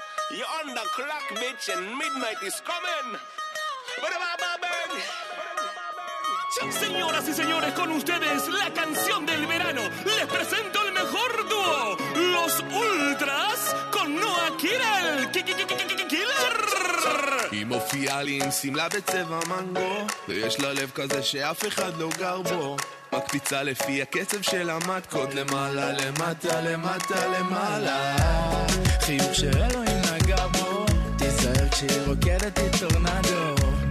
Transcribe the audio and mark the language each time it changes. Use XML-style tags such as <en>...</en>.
<en>You're on the clock, bitch, and midnight is coming. Ba-da-ba-ba-bang!</en> <es>Sí, señoras y señores, con ustedes la canción del verano. Les presento el mejor dúo, los Ultras, con Noah Kirel.</es> <en>¡Killer!</en> <he>היא מופיעה לי עם סמלה בצבע מנגו, ויש לה לב כזה שאף אחד לא גר בו. מקפיצה לפי הקצב של המתקות, למעלה, למטה, למטה, למעלה. חיוך שאלוהים נגע בו, תיזהר כשהיא רוקדת היא טורנדו.</he>